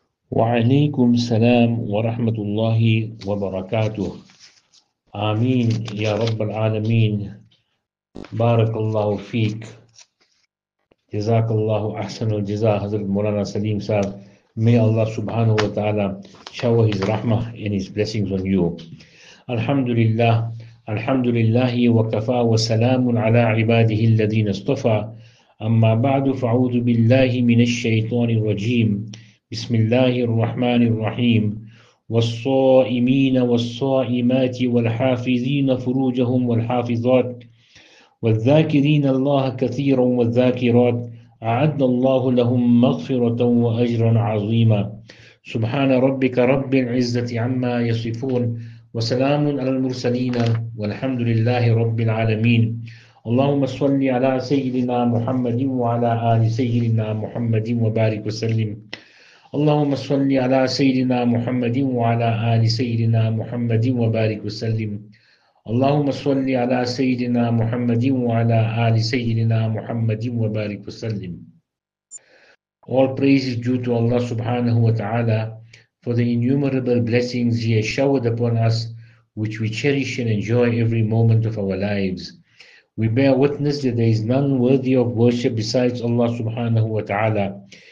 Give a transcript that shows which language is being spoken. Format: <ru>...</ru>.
<ar>وعليكم السلام ورحمة الله وبركاته. آمين يا رب العالمين، بارك الله فيك، جزاك الله أحسن الجزاء.</ar> <en>حضرت مولانا سليم صاحب، may Allah subhanahu wa ta'ala shower his rahmah and his blessings on you.</en> <ar>الحمد لله، الحمد لله وكفى وسلام على عباده الذين اصطفى، أما بعد فأعوذ بالله من الشيطان الرجيم، بسم الله الرحمن الرحيم. والصائمين والصائمات والحافظين فروجهم والحافظات والذاكرين الله كثيرا والذاكرات، أعد الله لهم مغفرة وأجرا عظيما. سبحان ربك رب العزة عما يصفون، وسلام على المرسلين، والحمد لله رب العالمين. اللهم صل على سيدنا محمد وعلى آل سيدنا محمد وبارك وسلم. اللهم صل على سيدنا محمد وعلى آل سيدنا محمد وبارك وسلم. اللهم صل على سيدنا محمد وعلى آل سيدنا محمد وبارك وسلم.</ar> <en>All praise is due to Allah subhanahu wa ta'ala for the innumerable blessings He has showered upon us, which we cherish and enjoy every moment of our lives. We bear witness that there is none worthy of worship besides Allah subhanahu wa ta'ala.</en>